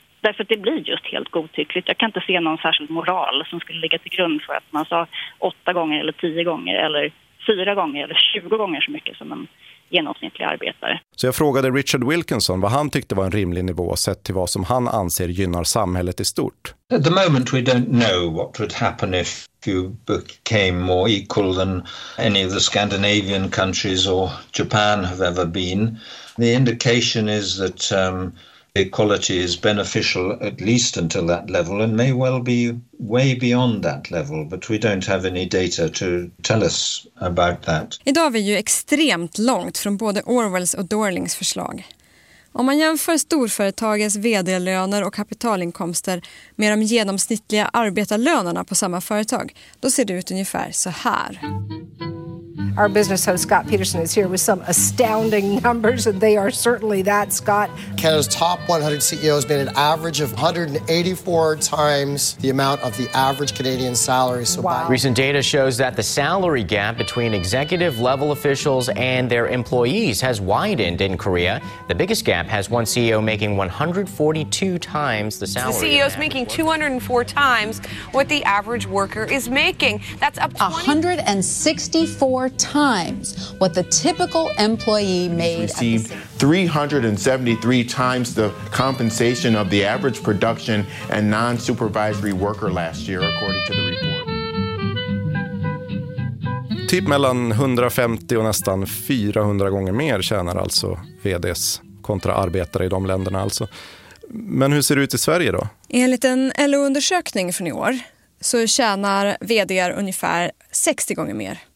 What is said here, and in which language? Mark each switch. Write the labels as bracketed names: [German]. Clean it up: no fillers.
[Swedish] Därför att det blir just helt godtyckligt. Jag kan inte se någon särskild moral som skulle ligga till grund för att man sa 8 gånger eller 10 gånger eller 4 gånger eller 20 gånger så mycket som en genomsnittliga arbetare. Så jag frågade Richard Wilkinson vad han tyckte var en rimlig nivå sett till vad som han anser gynnar samhället i stort. [English] At the moment we don't know what would happen if you became more equal than any of the Scandinavian countries or Japan have ever been. The indication is that equality is beneficial at least until that level and may well be way beyond that level, but we don't have any data to tell us about that. [Swedish] Idag är vi ju extremt långt från både Orwells och Dorlings förslag. Om man jämför storföretagens vd-löner och kapitalinkomster med de genomsnittliga arbetarlönerna på samma företag, då ser det ut ungefär så här. [English] Our business host Scott Peterson is here with some astounding numbers, and they are certainly that, Scott. Canada's top 100 CEOs made an average of 184 times the amount of the average Canadian salary. So wow. Recent data shows that the salary gap between executive-level officials and their employees has widened in Korea. The biggest gap has one CEO making 142 times the salary. The CEO's making 204 times what the average worker is making. That's up 164 times what the typical employee made. Received 373 times the compensation of the average production and non-supervisory worker last year, according to the report. [Swedish] Typ mellan 150 och nästan 400 gånger mer tjänar alltså VDs kontra arbetare i de länderna alltså. Men hur ser det ut i Sverige då? Enligt en LO-undersökning från i år så tjänar VDar ungefär 60 gånger mer.